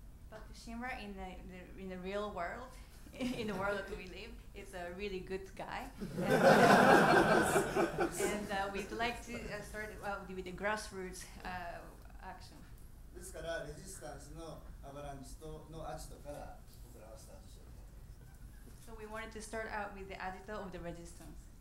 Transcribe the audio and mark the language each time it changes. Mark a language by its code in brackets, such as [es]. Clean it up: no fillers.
[en] But Shinra in the real world, in the world that we live, is a really good guy. And we'd like to start with the grassroots action. [ja] ですから、レジスタンスのアバランチとのアジトから僕らはスタートしよう。 [en] So we wanted to start out with the agito of the resistance.